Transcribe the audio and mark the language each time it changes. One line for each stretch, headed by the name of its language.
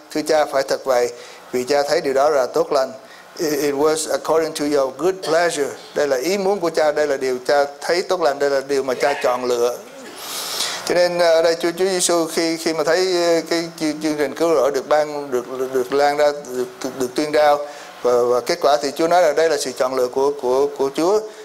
Vietnamese: Thưa Cha, phải thật vậy, vì Cha thấy điều đó là tốt lành.
English: It was according to your good pleasure.
Vietnamese: Đây là ý muốn của Cha, đây là điều Cha thấy tốt lành, đây là điều mà Cha chọn lựa. Cho nên ở đây Chúa Giê-xu khi mà thấy cái chương trình cứu rỗi được ban, được lan ra, được tuyên rao, và kết quả thì Chúa nói là đây là sự chọn lựa của Chúa.